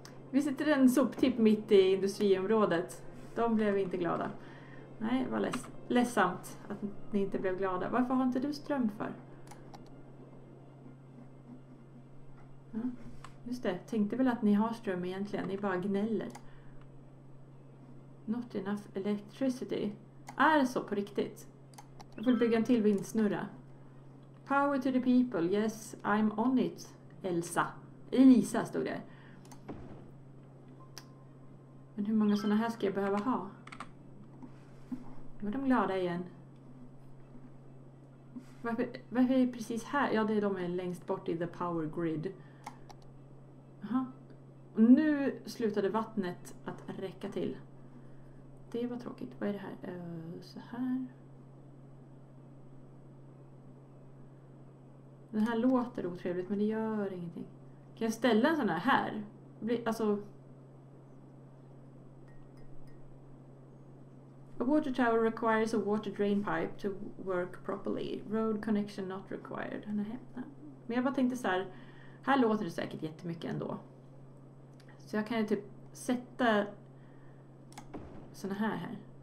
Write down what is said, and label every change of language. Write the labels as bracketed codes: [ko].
[sv] Vi sätter en soptipp mitt i industriområdet. De blev inte glada. Nej, det var ledsamt att ni inte blev glada. Varför har inte du ström för? Just det, tänkte väl att ni har ström egentligen. Ni bara gnäller. [en] Not enough electricity. [sv] Är det så på riktigt? Jag får bygga en till vindsnurra. [en] Power to the people. Yes, I'm on it. Elsa. [sv] Elisa stod det. Men hur många sådana här ska jag behöva ha? Nu var de glada igen. Varför är jag precis här? Ja, det är de är längst bort i [en] the power grid. [sv] Jaha. Och nu slutade vattnet att räcka till. Det var tråkigt. Vad är det här? Så här. Den här låter otrevligt, men det gör ingenting. Kan jag ställa en sån här? Alltså... [en] a water tower requires a water drain pipe to work properly. Road connection not required. [sv] Nej. Men jag bara tänkte så här. Här låter det säkert jättemycket ändå. Så jag kan ju typ sätta såna här.